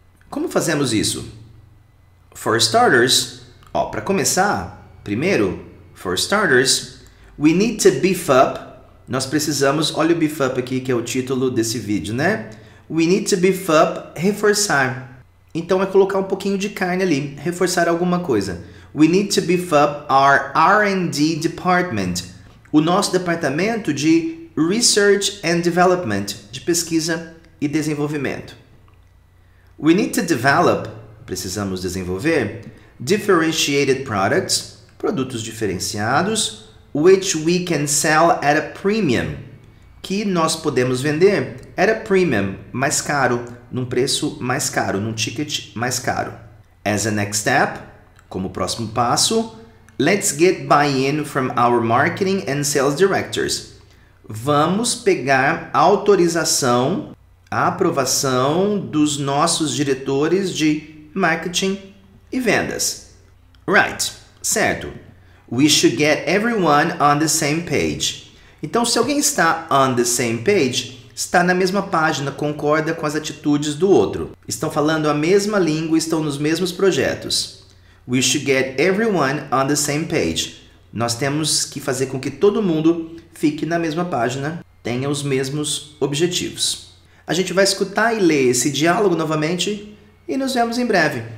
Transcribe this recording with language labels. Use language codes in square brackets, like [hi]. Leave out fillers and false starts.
[pt] Como fazemos isso? [en] For starters, [pt] ó, para começar, primeiro, [en] for starters, we need to beef up. [pt] Nós precisamos, olha o beef up aqui que é o título desse vídeo, né? [en] We need to beef up, [pt] reforçar. Então é colocar um pouquinho de carne ali, reforçar alguma coisa. [en] We need to beef up our R&D department. [pt] O nosso departamento de Research and Development, de pesquisa e desenvolvimento. [en] We need to develop, [pt] precisamos desenvolver, [en] differentiated products, [pt] produtos diferenciados, [en] which we can sell at a premium, [pt] que nós podemos vender [en] at a premium, [pt] mais caro, num preço mais caro, num ticket mais caro. [en] As a next step, [pt] como próximo passo, [en] let's get buy-in from our marketing and sales directors. [pt] Vamos pegar autorização, aprovação dos nossos diretores de marketing e vendas. [en] Right, [pt] certo. [en] We should get everyone on the same page. [pt] Então, se alguém está [en] on the same page, [pt] está na mesma página, concorda com as atitudes do outro. Estão falando a mesma língua, estão nos mesmos projetos. [en] We should get everyone on the same page. [pt] Nós temos que fazer com que todo mundo fique na mesma página, tenha os mesmos objetivos. A gente vai escutar e ler esse diálogo novamente e nos vemos em breve.